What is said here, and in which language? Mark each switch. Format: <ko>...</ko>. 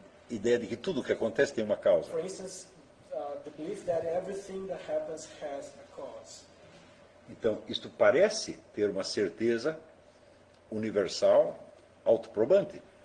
<pt>ideia de que tudo que acontece tem uma causa.</pt> <en>For instance, the belief that everything that happens has a cause.</en> <pt>Então, isto parece ter uma certeza universal, autoprobante.</pt>